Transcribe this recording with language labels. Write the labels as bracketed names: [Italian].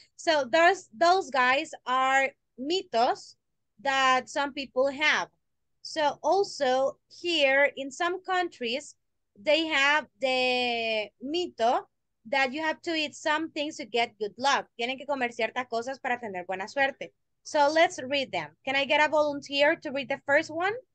[English] So those guys are mitos that some people have. So also here in some countries, they have the mito that you have to eat some things to get good luck. [Spanish] Tienen que comer ciertas cosas para tener buena suerte. [English] So let's read them. Can I get a volunteer to read the first one?